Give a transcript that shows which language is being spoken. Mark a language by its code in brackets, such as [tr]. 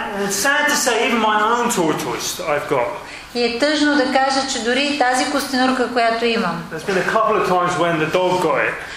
[en] Sad to say, even my own tortoise I've got. [bg] И е тъжно да кажа, че дори и тази костенурка, която имам. [en] There's been a couple of times when the dog got it.